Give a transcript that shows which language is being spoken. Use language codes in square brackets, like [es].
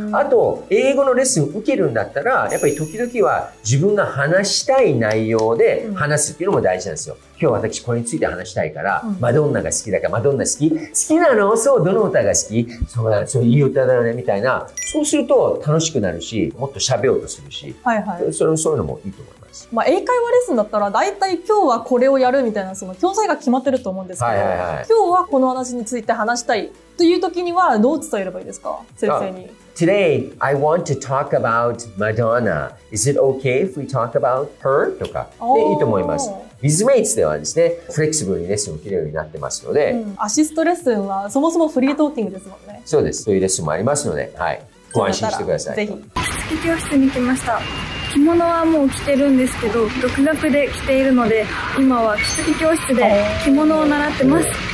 [ja] あと英語のレッスン受けるんだったら、やっぱり時々は自分が話したい内容で話すっていうのも大事なんですよ、うん、今日私これについて話したいから、うん、マドンナが好きだから、マドンナ好き、好きなの、そう、どの歌が好き、そう、そういい歌だよねみたいな、そうすると楽しくなるし、もっと喋ろうとするし、はいはい、そういうのもいいと思います。まあ、英会話レッスンだったら大体今日はこれをやるみたいな、その教材が決まってると思うんですけど、はいはいはい、今日はこの話について話したいという時にはどう伝えればいいですか、先生に。 [en] Today I want to talk about Madonna. Is it okay if we talk about her? [ja] とかでいいと思います。ビズメイツではですね、フレキシブルにレッスンを受けるようになってますので、うん、アシストレッスンはそもそもフリートーキングですもんね。そうです、そういうレッスンもありますので、はい、ご安心してください。ぜひ好き教室に来ました。着物はもう着てるんですけど、独学で着ているので、今は着付け教室で着物を習ってます。